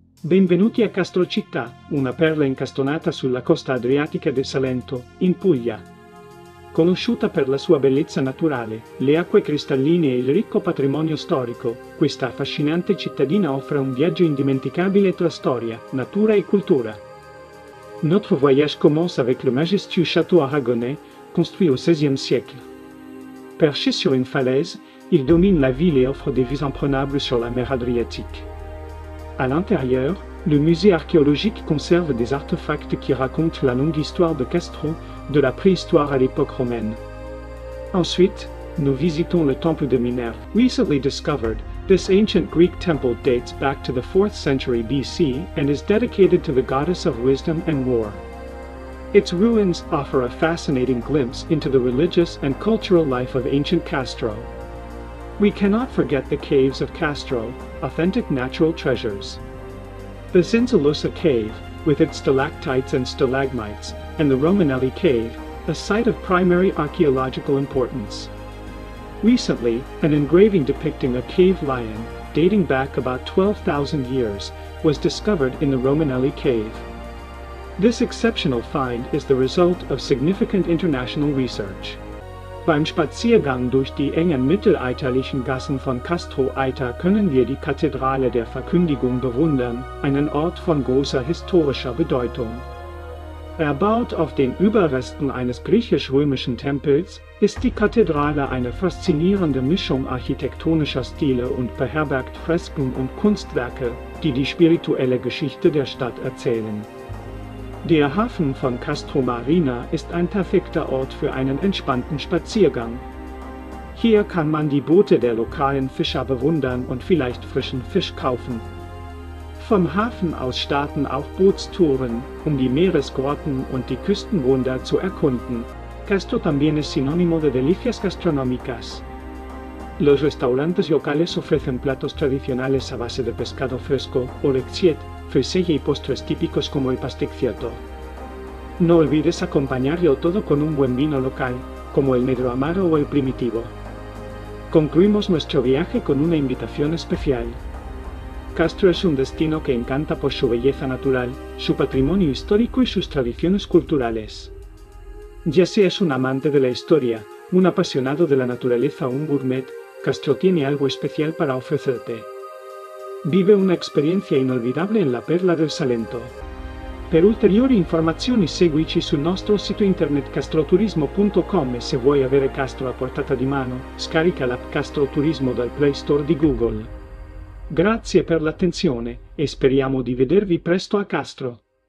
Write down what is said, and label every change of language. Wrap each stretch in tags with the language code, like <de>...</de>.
<it>Benvenuti a Castrocittà, una perla incastonata sulla costa adriatica del Salento, in Puglia. Conosciuta per la sua bellezza naturale, le acque cristalline e il ricco patrimonio storico, questa affascinante cittadina offre un viaggio indimenticabile tra storia, natura e cultura.</it> <fr>Notre voyage commence avec le majestueux château aragonais, construit au XVIe siècle. Perché sur une falaise, il domine la ville et offre des vues imprenables sur la mer Adriatique. À l'intérieur, le musée archéologique conserve des artefacts qui racontent la longue histoire de Castro, de la préhistoire à l'époque romaine. Ensuite, nous visitons le temple de Minerve.</fr> <en>Recently discovered, this ancient Greek temple dates back to the 4th century BC and is dedicated to the goddess of wisdom and war. Its ruins offer a fascinating glimpse into the religious and cultural life of ancient Castro. We cannot forget the caves of Castro, authentic natural treasures. The Zinzalusa cave, with its stalactites and stalagmites, and the Romanelli cave, a site of primary archaeological importance. Recently, an engraving depicting a cave lion, dating back about 12,000 years, was discovered in the Romanelli cave. This exceptional find is the result of significant international research.</en> <de>Beim Spaziergang durch die engen mittelalterlichen Gassen von Castro Alter können wir die Kathedrale der Verkündigung bewundern, einen Ort von großer historischer Bedeutung. Erbaut auf den Überresten eines griechisch-römischen Tempels, ist die Kathedrale eine faszinierende Mischung architektonischer Stile und beherbergt Fresken und Kunstwerke, die die spirituelle Geschichte der Stadt erzählen. Der Hafen von Castro Marina ist ein perfekter Ort für einen entspannten Spaziergang. Hier kann man die Boote der lokalen Fischer bewundern und vielleicht frischen Fisch kaufen. Vom Hafen aus starten auch Bootstouren, um die Meeresgrotten und die Küstenwunder zu erkunden.</de> <es>Castro también es sinónimo de delicias gastronómicas. Los restaurantes locales ofrecen platos tradicionales a base de pescado fresco o lechiet, friseye y postres típicos como el pasticciato. No olvides acompañarlo todo con un buen vino local, como el negro amaro o el primitivo. Concluimos nuestro viaje con una invitación especial. Castro es un destino que encanta por su belleza natural, su patrimonio histórico y sus tradiciones culturales. Ya seas un amante de la historia, un apasionado de la naturaleza o un gourmet, Castro tiene algo especial para ofrecerte. Vive una experiencia inolvidable en la Perla del Salento.</es> <it>Per ulteriori informazioni seguici sul nostro sito internet castroturismo.com e se vuoi avere Castro a portata di mano, scarica l'app Castro Turismo dal Play Store di Google. Grazie per l'attenzione e speriamo di vedervi presto a Castro.</it>